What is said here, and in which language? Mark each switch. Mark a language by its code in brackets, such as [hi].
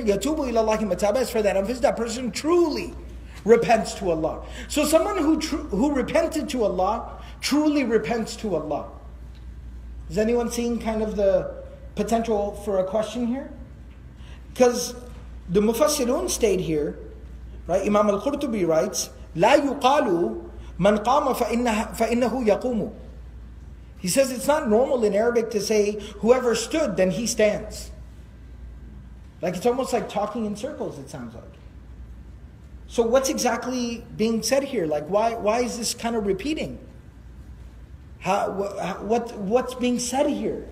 [ar] يَتُوبُ إِلَى اللَّهِ مَتَابَ, [en] for that emphasis, that person truly repents to Allah. So someone who repented to Allah, truly repents to Allah. Is anyone seeing kind of the potential for a question here? Because the Mufassirun stayed here, right? Imam al-Qurtubi writes, [ar] لَا يُقَالُ مَنْ قَامَ فَإِنَّهُ يَقُومُ. [en] He says it's not normal in Arabic to say, whoever stood, then he stands. Like it's almost like talking in circles, it sounds like. So what's exactly being said here? Like why is this kind of repeating? What's being said here?